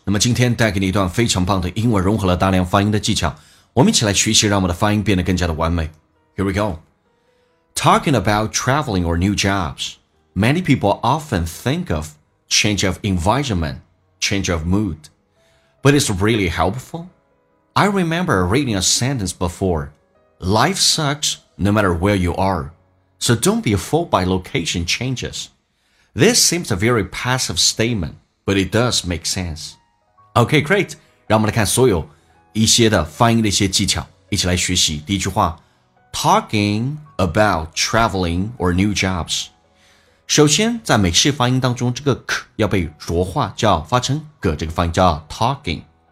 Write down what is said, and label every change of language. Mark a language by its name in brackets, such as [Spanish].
[Chinese] 那么今天带给你一段非常棒的英文融合了大量发音的技巧，我们一起来学习让我们的发音变得更加的完美。 [English] Here we go. Talking about traveling or new jobs, many people often think of change of environment, change of mood. But it's really helpful. I remember reading a sentence before, life sucks no matter where you are, so don't be fooled by location changes. This seems a very passive statement, but it does make sense. Okay, great. [Chinese] 让我们来看所有一些的发音的一些技巧，一起来学习。第一句话 [English] ,talking about traveling or new jobs. [Chinese] 首先在美式发音当中这个 k 要被浊化，叫发成 g， 这个发音叫 talking。